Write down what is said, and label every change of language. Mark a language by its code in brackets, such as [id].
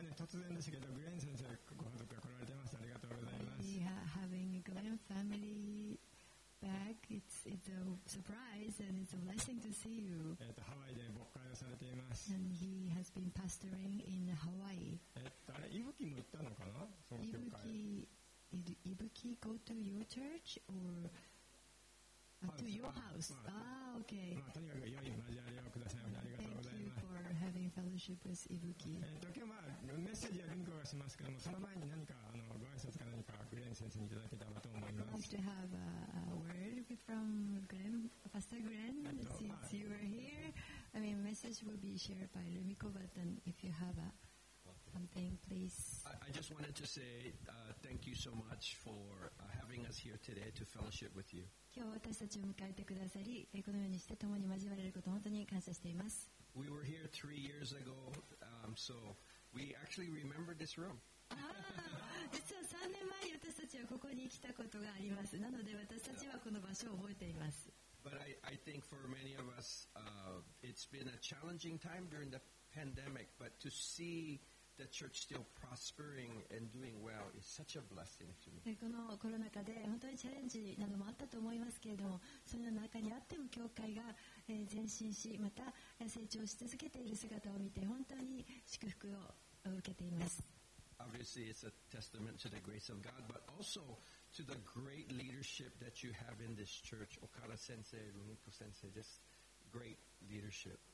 [ja] 然ですけど、グレン先生ご家族が来られていました。ありがとうございます。 [en] We are having Glenn family back. It's a surprise and it's a blessing to see you. [ja] ハワイで牧会をされています。 [en] And he has been pastoring in Hawaii. [ja] あれ、イブキも行ったのかな？その教会。 [en] Did Ibuki go to your church or to your house? Ah, okay. [ja] とにかく良い交わりをくださいました。ありがとうございます。 [en] Thank you for having fellowship with Ibuki. [ja] 今日はメッセージやリンクがしますけども、その前に何かご挨拶か何かグレン先生にいただけたらと思います。 [en] I'd like to have a word from Glenn, Pastor Glenn, since you are here. I mean, message will be shared by Lumiko, but then if you have a... Something, please. I just wanted to say thank you so much for having us here today to fellowship with you. [ja] 今日私たちを迎えてくださり、このようにして共に交われることを本当に感謝しています。 [en] We were here 3 years ago, so we actually remember this room. [ja] 実は3年前に私たちはここに来たことがあります。なので私たちはこの場所を覚えています。 [en] But I think for many of us, it's been a challenging time during the pandemic, but to see... The church still prospering and doing well is such a blessing to me. [ja] このコロナ禍で本当にチャレンジなどもあったと思いますけれども、その中にあっても教会が前進し、また成長し続けている姿を見て本当に祝福を受けています。 [en] Obviously, it's a testament to the grace of God, but also to the great leadership that you have in this church, Okada Sensei, Rumiko Sensei, just great leadership.